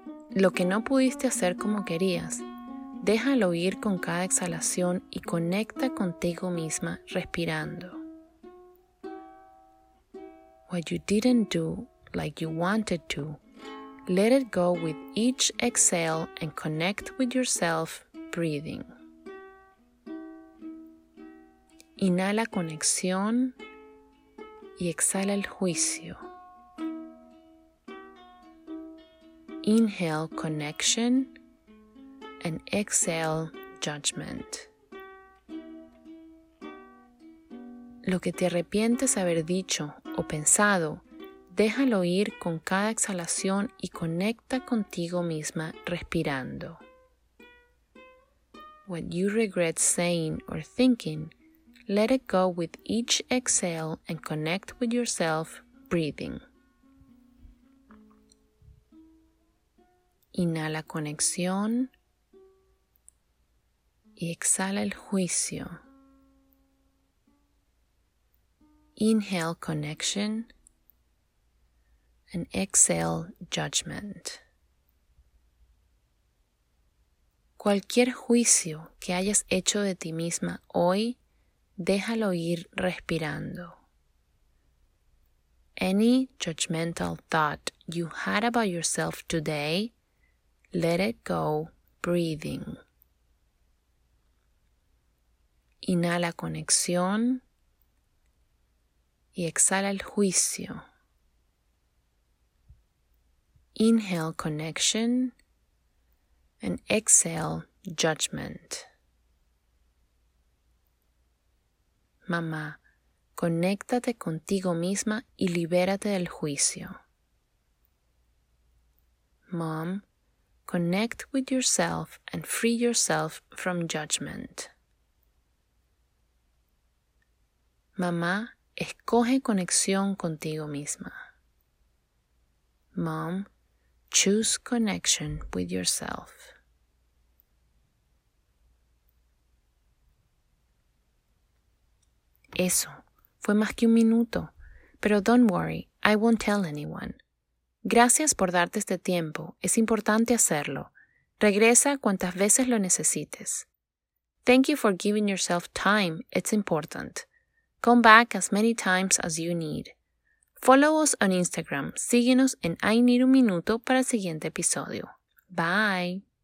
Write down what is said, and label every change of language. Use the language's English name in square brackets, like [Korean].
[Spanish] Lo que no pudiste hacer como querías, déjalo ir con cada exhalación y conecta contigo misma respirando. [English] What you didn't do like you wanted to, let it go with each exhale and connect with yourself breathing. [Spanish] Inhala conexión y exhala el juicio. [English] Inhale connection and exhale judgment. [Spanish] Lo que te arrepientes haber dicho o pensado, déjalo ir con cada exhalación y conecta contigo misma respirando. [English] What you regret saying or thinking, let it go with each exhale and connect with yourself breathing. [Spanish] Inhala conexión y exhala el juicio. [English] Inhale connection and exhale judgment. [Spanish] Cualquier juicio que hayas hecho de ti misma hoy, déjalo ir respirando. [English] Any judgmental thought you had about yourself today, let it go breathing. [Spanish] Inhala conexión y exhala el juicio. [English] Inhale connection and exhale judgment. [Spanish] Mamá, conéctate contigo misma y libérate del juicio. [English] Mom, connect with yourself and free yourself from judgment. [Spanish] Mamá, escoge conexión contigo misma. [English] Mom, choose connection with yourself. [Spanish] Eso, fue más que un minuto. Pero [English] don't worry, I won't tell anyone. [Spanish] Gracias por darte este tiempo. Es importante hacerlo. Regresa cuantas veces lo necesites. [English] Thank you for giving yourself time. It's important. Come back as many times as you need. Follow us on Instagram. [Spanish] Síguenos en I Need Un Minuto para el siguiente episodio. Bye.